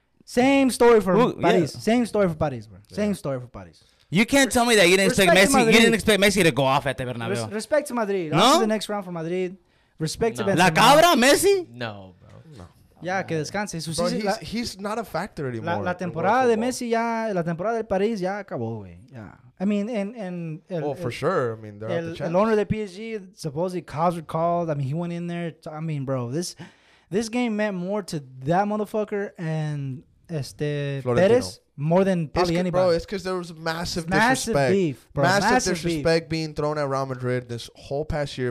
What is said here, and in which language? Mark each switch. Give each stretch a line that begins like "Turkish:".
English: same story for Paris. Yeah. Same story for Paris, bro. Same story for Paris. You can't tell me that you didn't expect Messi. You didn't expect Messi to go off at the Bernabeu. Respect to Madrid. No, to the next round for Madrid. Respect to La Cabra, Messi. No. Yeah,
Spanish: que descanse.
English: He's not a factor anymore.
Spanish: La temporada de Messi ya, la temporada del París ya acabó, güey.
English: Yeah. I mean, I mean, they're out the chance. El owner de PSG, supposedly cops were called. I mean, he went in there. I mean, bro, this game meant more to that motherfucker and Florentino. Pérez more than probably anybody. Bro, it's because there was massive disrespect being thrown at Real Madrid this whole past year.